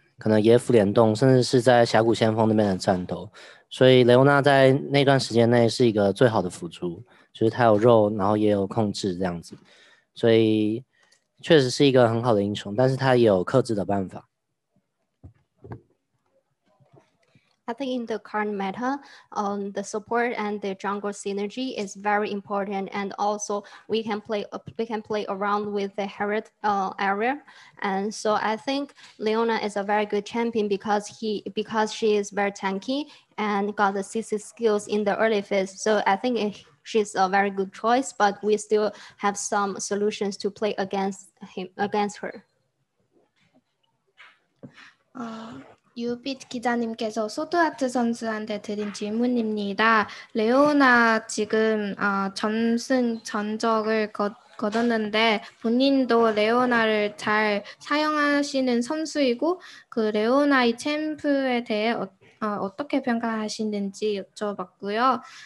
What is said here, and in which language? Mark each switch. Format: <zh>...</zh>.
<zh>雷欧娜这个英雄目前是未尝一败的，那你也是非常善于开团的一个辅助，所以说，你对雷欧娜的她的整个的她的特质有在，尤其在这个世界赛的一个表现有怎么样的一个评价？因为现在世界赛的话，更多讲究的是可能野辅联动，甚至是在峡谷先锋那边的战斗。所以雷欧娜在那段时间内是一个最好的辅助，就是她有肉，然后也有控制这样子，所以确实是一个很好的英雄，但是她也有克制的办法。</zh> <en>I think in the current meta, the support and the jungle synergy is very important, and also we can play around with the Herald area, and so I think Leona is a very good champion because she is very tanky. And got the CC skills in the early phase. So I think she's a very good choice, but we still have some solutions to play against her.</en> <ko>UBIT 기자님께서 소드아트 선수한테 드린 질문입니다. 레오나 지금 전승 전적을 거뒀는데 본인도 레오나를 잘 사용하시는 선수이고 그 레오나의 챔프에 대해 어떻게 평가하시는지 여쭤봤고요.</ko>